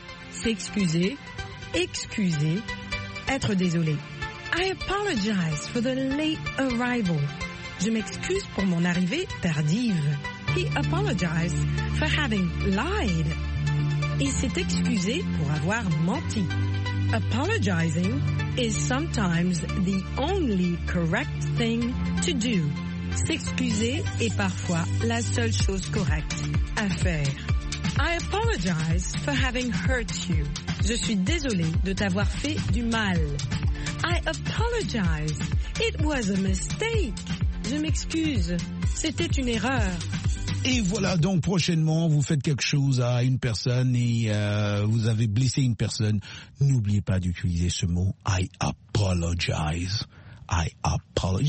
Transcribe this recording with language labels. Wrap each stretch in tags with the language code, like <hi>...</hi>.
<fr>S'excuser, excuser, être désolé.</fr> <en>I apologize for the late arrival.</en> <fr>Je m'excuse pour mon arrivée tardive.</fr> <en>He apologized for having lied.</en> <fr>Il s'est excusé pour avoir menti.</fr> <en>Apologizing is sometimes the only correct thing to do.</en> <fr>S'excuser est parfois la seule chose correcte à faire.</fr> <en>I apologize for having hurt you.</en> <fr>Je suis désolée de t'avoir fait du mal.</fr> <en>I apologize. It was a mistake.</en> <fr>Je m'excuse. C'était une erreur. Et voilà, donc prochainement, vous faites quelque chose à une personne et vous avez blessé une personne. N'oubliez pas d'utiliser ce mot.</fr> <en>I apologize. I apologize.</en>